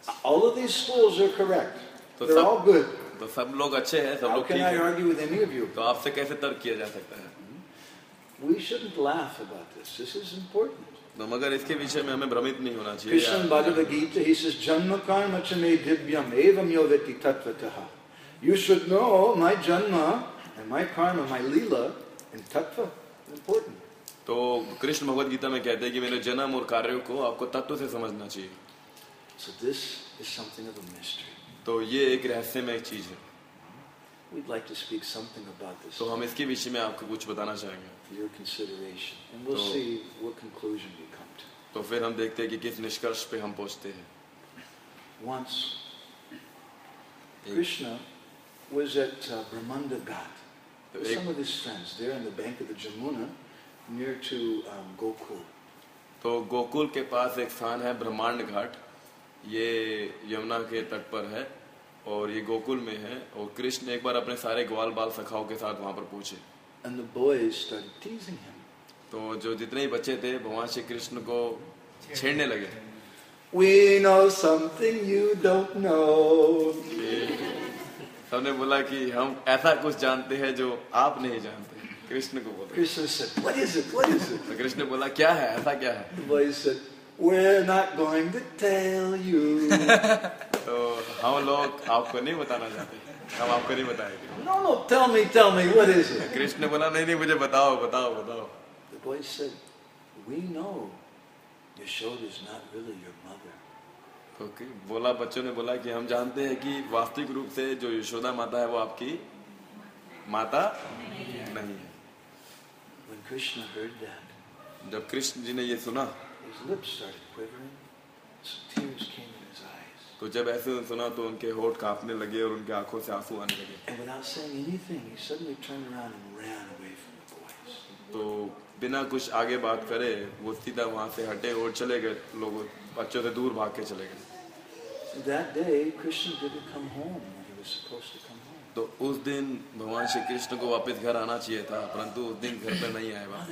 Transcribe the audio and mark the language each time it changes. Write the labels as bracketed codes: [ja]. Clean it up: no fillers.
[en] All of these schools are correct. They're all good. [hi] तो सब लोग अच्छे हैं, सब लोग ठीक हैं। [en] How can I argue with any of you? [hi] तो आपसे कैसे तर्क किया जा सकता है? [en] We shouldn't laugh about this. This is important. [hi] तो मगर इसके विषय में हमें भ्रमित नहीं होना चाहिए। Krishna Bhagavad Gita, [en] he says, [sa] "Janma karma cha me divyam evam yo vetti tattvatah." [en] You should know my janma and my karma, my lila and tattva important. [hi] तो कृष्ण भगवद गीता में कहते हैं कि मेरे जन्म और कार्यों को आपको तत्व से समझना चाहिए। [en] So this is something of a mystery. [hi] तो ये एक रहस्यमय चीज है। [en] We'd like to speak something about this. [hi] तो हम इसके विषय में आपको कुछ बताना चाहेंगे। [en] Your consideration. And we'll see what conclusion we come to. [hi] तो फिर हम देखते हैं कि किस निष्कर्ष पे हम पहुंचते हैं। [en] Once, Krishna was at Brahmanda Ghat. तो some of his friends there on the bank of the Jamuna. Near to Gokul. [hi] तो गोकुल के पास एक स्थान है ब्रह्मांड घाट, ये यमुना के तट पर है और ये गोकुल में है। और कृष्ण एक बार अपने सारे ग्वाल बाल सखाओं के साथ वहाँ पर पहुंचे। [en] And the boys started teasing him. [hi] तो जो जितने ही बच्चे थे भगवान श्री कृष्ण को छेड़ने लगे। [en] We know something you don't know. [hi] सबने बोला कि हम ऐसा कुछ जानते हैं जो आप नहीं जानते। कृष्ण को बोला, [en] Krishna said, what is it? What is it? [hi] तो कृष्ण बोला क्या है, ऐसा क्या है? [en] The boy said, we're not going to tell you. [hi] तो हम लोग आपको नहीं बताना चाहते, हम आपको नहीं बताएंगे। [en] No, no, tell me, what is it? [hi] Krishna बोला नहीं नहीं मुझे बताओ बताओ बताओ। [en] The boy said, we know Yashoda is not really your mother. [hi] तो बोला बच्चों ने बोला कि हम जानते हैं कि वास्तविक रूप से जो यशोदा माता है वो आपकी माता नहीं है। [en] When Krishna heard that, [hi] जब कृष्ण जी ने ये सुना, [en] his lips started quivering, some tears came in his eyes. [hi] तो जब ऐसे सुना तो उनके होंठ कांपने लगे और उनके आंखों से आंसू आने लगे। [en] And without saying anything, he suddenly turned around and ran away from the boys. [hi] तो बिना कुछ आगे बात करे वो सीधा वहां से हटे और चले गए, लोगों बच्चों से दूर भाग के चले गए। [en] That day, Krishna didn't come home when he was supposed to come. [hi] तो उस दिन भगवान श्री कृष्ण को वापस घर आना चाहिए था, परंतु उस दिन घर पर नहीं आए।